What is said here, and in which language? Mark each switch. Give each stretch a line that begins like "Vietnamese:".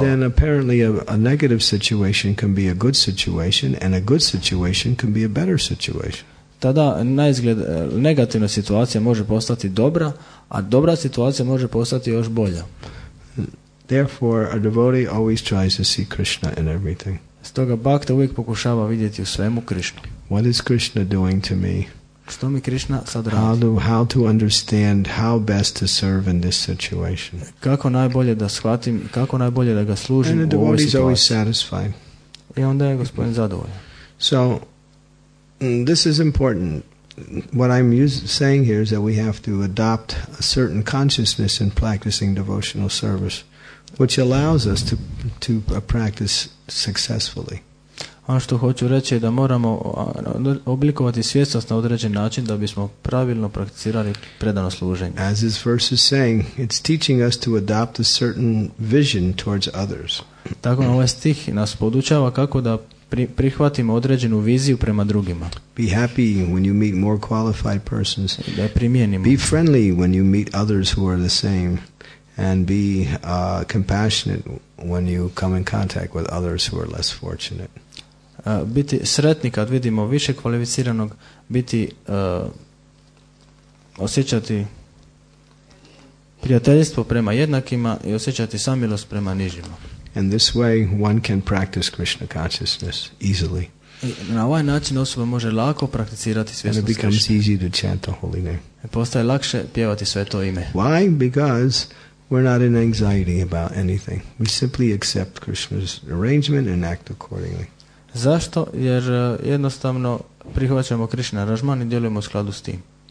English: Then apparently a negative situation can be a good situation and a good situation can be a better situation.
Bosnian: Tada naizgled negativna situacija može postati dobra, a dobra situacija može postati još bolja.
English: Therefore a devotee always tries to see Krishna in everything.
Bosnian: Stoga bhakta uvijek pokušava vidjeti u svemu Krišnu.
English: What is Krishna doing to me?
Bosnian: Što mi Krišna sad radi?
English: How to understand how best to serve in this situation?
Bosnian: Kako najbolje da shvatim, kako najbolje da ga služim
English: and
Bosnian: u ovoj situaciji?
English: Is always satisfied.
Bosnian: I onda je gospodin zadovoljan.
English: So this is important. What I'm saying here is that we have to adopt a certain consciousness in practicing devotional service, which allows us to practice successfully.
Bosnian: Ono što hoću reći je da moramo oblikovati svjesnost na određen način da bismo pravilno prakticirali predano služenje.
English: As this verse is saying, it's teaching us to adopt a certain vision towards others.
Bosnian: Tako ovaj stih nas podučava kako da prihvatimo određenu viziju prema drugima.
English: Be happy when you meet more qualified persons.
Bosnian: Da primijenimo.
English: Be friendly when you meet others who are the same. And be compassionate when you come in contact with others who are less fortunate.
Bosnian: Biti sretni kad vidimo više kvalificiranog, biti osjećati prijateljstvo prema jednakima i osjećati samilost prema nižima.
English: In this way one can practice Krishna consciousness easily.
Bosnian: Na ovaj način osoba može lako prakticirati svjesnost Krishne.
English: And it becomes easy to chant the holy name.
Bosnian: Postaje lakše pjevati sveto ime.
English: Why? Because we're not in anxiety about anything. We simply accept Krishna's arrangement and act accordingly.
Bosnian: Zašto? Jer jednostavno prihvaćamo Krishna aranžman i djelujemo u skladu s tim.